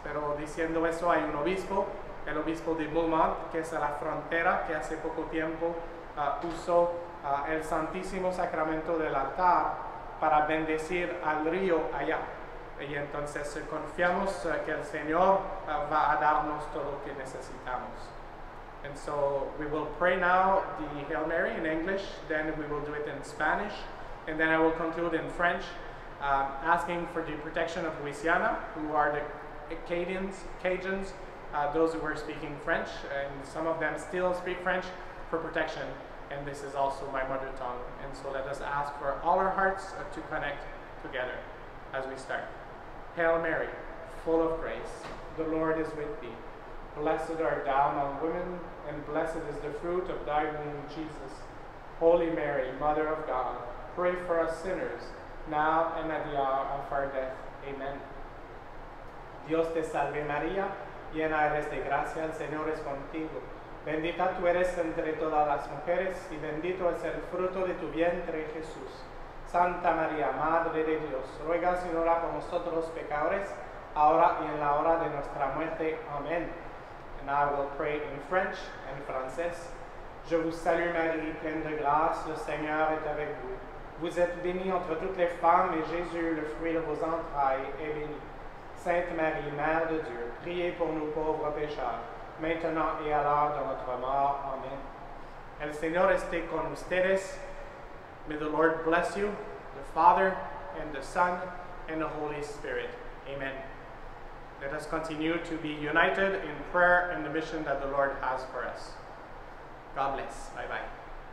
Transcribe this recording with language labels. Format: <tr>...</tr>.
<es>Pero diciendo eso, hay un obispo, el obispo de Beaumont, que es a la frontera, que hace poco tiempo puso el Santísimo Sacramento del altar para bendecir al río allá. Y entonces confiamos que el Señor va a darnos todo lo que necesitamos.</es> <en>And so we will pray now the Hail Mary in English, then we will do it in Spanish, and then I will conclude in French, asking for the protection of Louisiana, who are the Cajuns, those who were speaking French, and some of them still speak French, for protection. And this is also my mother tongue. And so let us ask for all our hearts to connect together as we start. Hail Mary, full of grace, the Lord is with thee. Blessed art thou among women, and blessed is the fruit of thy womb, Jesus. Holy Mary, Mother of God, pray for us sinners, now and at the hour of our death. Amen.</en> <es>Dios te salve María, llena eres de gracia, el Señor es contigo. Bendita tú eres entre todas las mujeres, y bendito es el fruto de tu vientre, Jesús. Santa María, Madre de Dios, ruega, Señora, por nosotros pecadores, ahora y en la hora de nuestra muerte. Amen.</es> <en>And I will pray in French and Francais.</en> <fr>Je vous salue, Marie, pleine de grâce, le Seigneur est avec vous. Vous êtes bénie entre toutes les femmes, et Jésus, le fruit de vos entrailles, est béni. Sainte Marie, Mère de Dieu, priez pour nous pauvres pécheurs, maintenant et à l'heure de notre mort.</fr> <es>Amen. El Señor esté con ustedes.</es> <en>May the Lord bless you, the Father, and the Son, and the Holy Spirit. Amen. Let us continue to be united in prayer and the mission that the Lord has for us. God bless. Bye-bye.</en>